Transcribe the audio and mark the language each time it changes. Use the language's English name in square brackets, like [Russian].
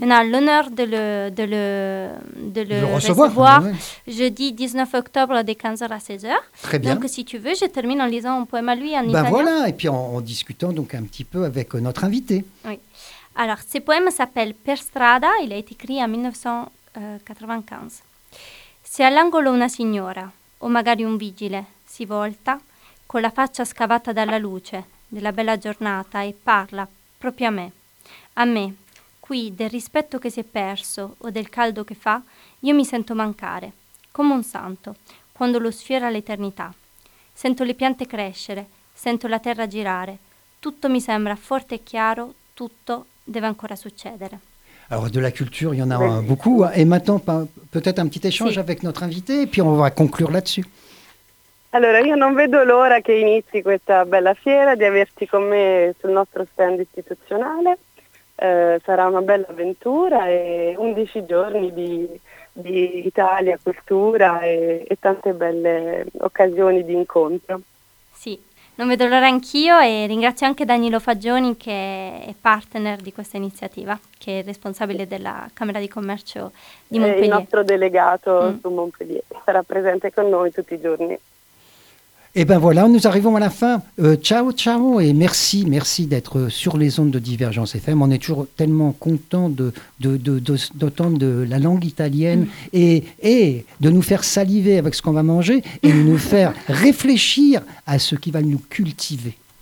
[French] On a l'honneur de le recevoir jeudi 19 octobre de 15h à 16h. Très bien. Donc si tu veux, je termine en lisant un poème à lui en italien. Ben voilà, et puis en discutant donc un petit peu avec notre invité. Oui. Alors, ce poème s'appelle Per strada, il a été écrit en 1995. [Italian] Se all'angolo una signora, o magari un vigile, si volta, con la faccia scavata dalla luce della bella giornata e parla proprio a me, qui del rispetto che si è perso o del caldo che fa, io mi sento mancare, come un santo, quando lo sfiora l'eternità. Sento le piante crescere, sento la terra girare, tutto mi sembra forte e chiaro, tutto deve ancora succedere. [French] Alors, de la culture, il y en a beaucoup. Et maintenant, peut-être un petit échange avec notre invité, et puis on va conclure là-dessus. [Italian] Allora, io non vedo l'ora che inizi questa bella fiera, di averti con me sul nostro stand istituzionale. Sarà una bella avventura e 11 giorni di Italia, cultura e tante belle occasioni di incontro. Sì, non vedo l'ora anch'io e ringrazio anche Danilo Fagioni, che è partner di questa iniziativa, che è responsabile della Camera di Commercio di Montpellier. Il nostro delegato su Montpellier sarà presente con noi tutti i giorni. [French] Et ben voilà, nous arrivons à la fin. Ciao, et merci d'être sur les ondes de Divergence FM. On est toujours tellement contents d'entendre de la langue italienne et de nous faire saliver avec ce qu'on va manger et de nous faire réfléchir à ce qui va nous cultiver.